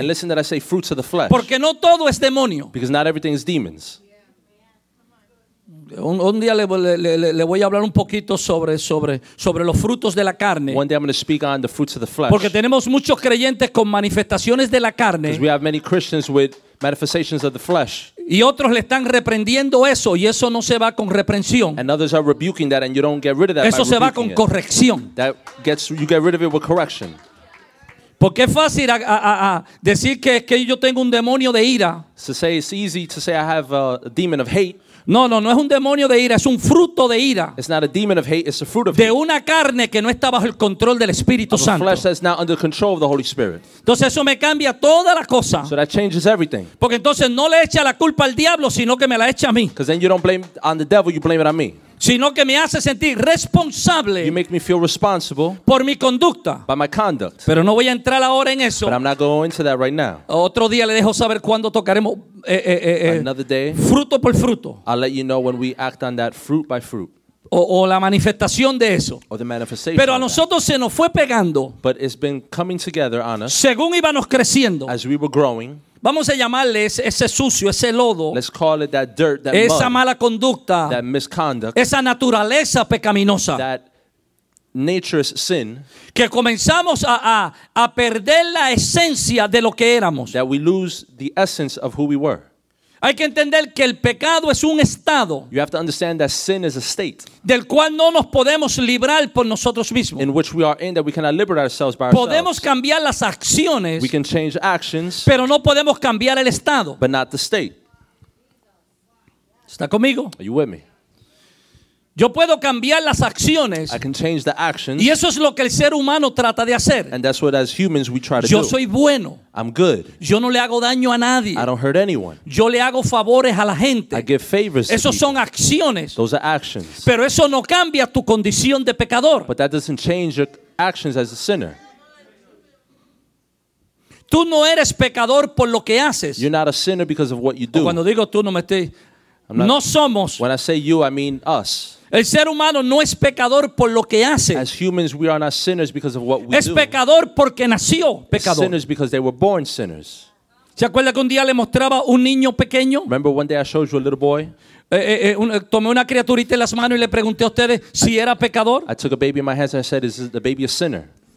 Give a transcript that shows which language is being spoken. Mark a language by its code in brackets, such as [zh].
[en] And listen that I say fruits of the flesh. [es] Porque no todo es demonio. [en] Because not everything is demons. Yeah. [es] Un día le voy a hablar un poquito sobre los frutos de la carne. [en] One day I'm going to speak on the fruits of the flesh. [es] Porque tenemos muchos creyentes con manifestaciones de la carne. [en] Because we have many Christians with manifestations of the flesh. [es] Y otros le están reprendiendo eso y eso no se va con reprensión. [en] And others are rebuking that and you don't get rid of that. [es] Eso se va con corrección. [en] That gets you get rid of it with correction. [es] Porque es fácil decir que yo tengo un demonio de ira. [en] To say it's easy to say I have a demon of hate. [es] No es un demonio de ira, es un fruto de ira. [en] It's not a demon of hate, it's a fruit of [es] hate. De una carne que no está bajo el control del Espíritu Santo. [en] Of a flesh that's not under control of the Holy Spirit. [es] Entonces eso me cambia toda la cosa. [en] So that changes everything. [es] Porque entonces no le echa la culpa al diablo, sino que me la echa a mí. [en] Because then you don't blame on the devil, you blame it on me. [es] Sino que me hace sentir responsable. [en] You make me feel responsible [es] por mi conducta. [en] By my conduct. [es] Pero no voy a entrar ahora en eso. [en] But I'm not going into that right now. [es] Otro día le dejo saber cuándo tocaremos [en] another day, [es] fruto por fruto. [en] I'll let you know when we act on that fruit by fruit. [es] O la manifestación de eso. [en] Or the manifestation. [es] Pero a nosotros [en] that. [es] Se nos fue pegando. [en] But it's been coming together on us. [es] Según íbamos creciendo. [en] As we were growing. [es] Vamos a llamarle ese sucio, ese lodo. [en] Let's call it that dirt, that [es] esa [en] mud, [es] mala conducta. [en] That misconduct, [es] esa naturaleza pecaminosa. [en] That nature's sin. [es] Que comenzamos a perder la esencia de lo que éramos. [en] That we lose the essence of who we were. [es] Hay que entender que el pecado es un estado. [en] You have to understand that sin is a state. [es] Del cual no nos podemos librar por nosotros mismos. [en] In which we are in, that we cannot liberate ourselves by [es] podemos [en] ourselves. [es] Podemos cambiar las acciones. [en] We can change actions. [es] Pero no podemos cambiar el estado. [en] But not the state. [es] ¿Está conmigo? [en] Are you with me? [es] Yo puedo cambiar las acciones. [en] I can change the actions. [es] Y eso es lo que el ser humano trata de hacer. [en] And that's what as humans we try to [es] yo [en] do. [es] Yo soy bueno. [en] I'm good. [es] Yo no le hago daño a nadie. [en] I don't hurt anyone. [es] Yo le hago favores a la gente. [en] I give favors. [es] Esos son acciones. [en] Those are actions. [es] Pero eso no cambia tu condición de pecador. [en] But that doesn't change your actions as a sinner. [es] Tú no eres pecador por lo que haces. [en] You're not a sinner because of what you do. [es] O cuando digo tú no me estoy no somos. [en] When I say you, I mean us. [es] El ser humano no es pecador por lo que hace. [en] As humans, we are not sinners because of what we [es] es [en] do. [es] Es pecador porque nació pecador. [en] Sinners because they were born sinners. [es] ¿Se acuerda que un día le mostraba un niño pequeño? [en] Remember one day I showed you a little boy? [es] Tomé una criaturita en las manos y le pregunté a ustedes si era pecador. [en] I took a baby in my hands and I said, is the baby a sinner?